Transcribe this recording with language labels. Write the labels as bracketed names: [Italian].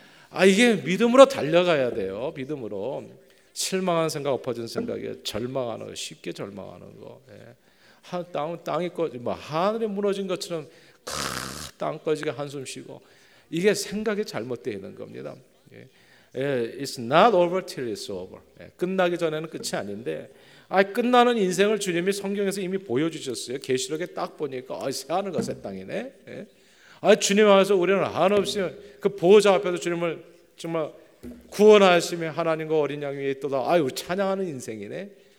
[Korean] 아 이게 믿음으로 달려가야 돼요. 믿음으로. 실망한 생각, 엎어진 생각에 절망하는 거, 쉽게 절망하는 거. 예. 땅이 꺼지, 뭐 하늘이 무너진 것처럼 땅 꺼지게 한숨 쉬고. 이게 생각이 잘못되어 있는 겁니다. [English] It's not over till it's over. [Korean] 끝나기 전에는 끝이 아닌데 끝나는 인생을 주님이 성경에서 이미 보여주셨어요. 계시록에 딱 보니까 새하늘과 새 땅이네. 주님 앞에서 우리는 한없이 그 보호자 앞에서 주님을 정말 구원하시며 하나님과 어린 양 위에 있도다 찬양하는 인생이네.